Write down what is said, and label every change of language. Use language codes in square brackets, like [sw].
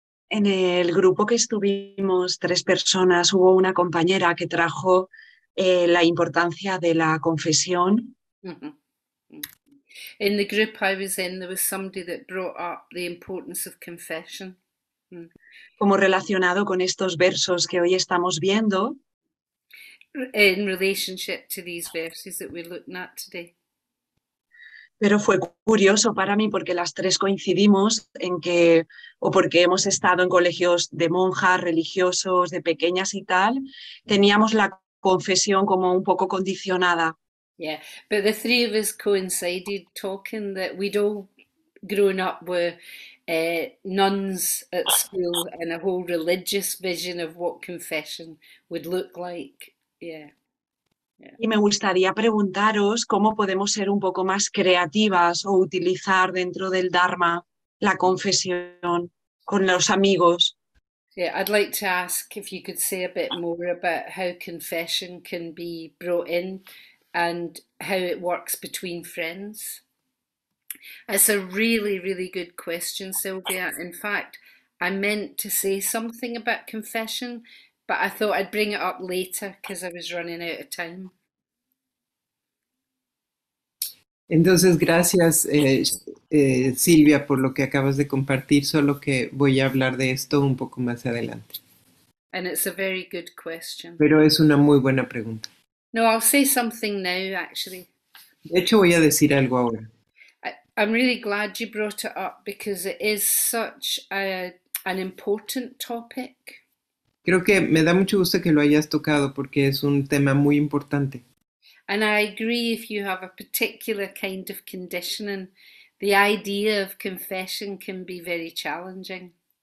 [es] En el grupo que estuvimos tres personas, hubo una compañera que trajo la importancia de la confesión. [en] In the group I was in, there was somebody that brought up the importance of confession. [es] Como relacionado con estos versos que hoy estamos viendo. [en] In relationship to these verses that we're looking at today. [es] Pero fue curioso para mí porque las tres coincidimos en que, o porque hemos estado en colegios de monjas, religiosos, de pequeñas y tal, teníamos la confesión como un poco condicionada. [en] Yeah, but the three of us coincided talking that we'd all grown up with nuns at school and a whole religious vision of what confession would look like. [es] Y me gustaría preguntaros cómo podemos ser un poco más creativas o utilizar dentro del Dharma la confesión con los amigos. [en] Yeah, I'd like to ask if you could say a bit more about how confession can be brought in and how it works between friends. It's a really, really good question, Sylvia. In fact, I meant to say something about confession, but I thought I'd bring it up later because I was running out of time. [es] Entonces, gracias, Silvia, por lo que acabas de compartir, solo que voy a hablar de esto un poco más adelante. [en] And it's a very good question. [es] Pero es una muy buena pregunta. [en] No, I'll say something now, actually. [es] De hecho, voy a decir algo ahora. [en] I'm really glad you brought it up because it is such an important topic. [es] Creo que me da mucho gusto que lo hayas tocado porque es un tema muy importante. [en] And I agree if you have a particular kind of conditioning, the idea of confession can be very challenging.